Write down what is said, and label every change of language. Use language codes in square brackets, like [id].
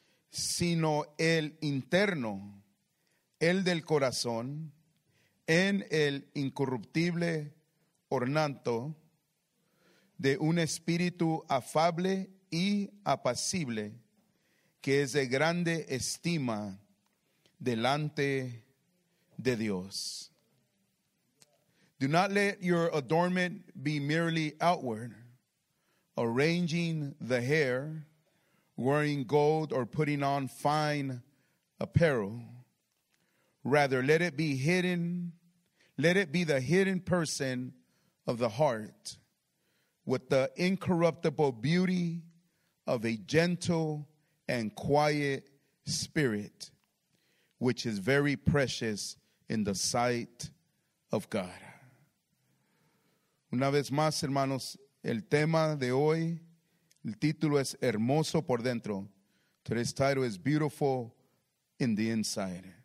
[es] Sino el interno, el del corazón, en el incorruptible ornato de un espíritu afable y apacible, que es de grande estima delante de Dios. [en] Do not let your adornment be merely outward, arranging the hair, wearing gold, or putting on fine apparel. Rather, let it be hidden, let it be the hidden person of the heart, with the incorruptible beauty of a gentle and quiet spirit, which is very precious in the sight of God. [es] Una vez más, hermanos, el tema de hoy, el título es Hermoso por Dentro. [en] Today's title is Beautiful in the Inside.